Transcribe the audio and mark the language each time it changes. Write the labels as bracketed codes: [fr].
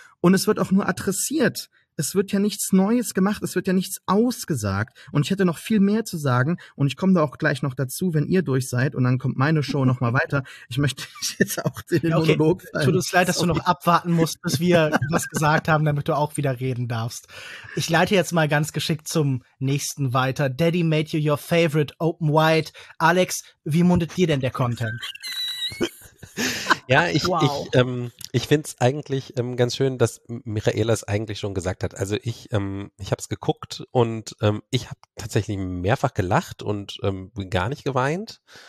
[de] Und es wird auch nur adressiert. Es wird ja nichts Neues gemacht, es wird ja nichts ausgesagt und ich hätte noch viel mehr zu sagen und ich komme da auch gleich noch dazu, wenn ihr durch seid und dann kommt meine Show nochmal weiter. Ich möchte jetzt auch den Monolog fallen. Tut uns leid, dass du noch abwarten musst, bis wir was gesagt haben, damit du auch wieder reden darfst. Ich leite jetzt mal ganz geschickt zum nächsten weiter. [en] Daddy made you your favorite open wide. [de] Alex, wie mundet dir denn der Content? Ja, ich finde es eigentlich ganz schön, dass Michaela es eigentlich schon gesagt hat. Also ich habe es geguckt und ich habe tatsächlich mehrfach gelacht und gar nicht geweint.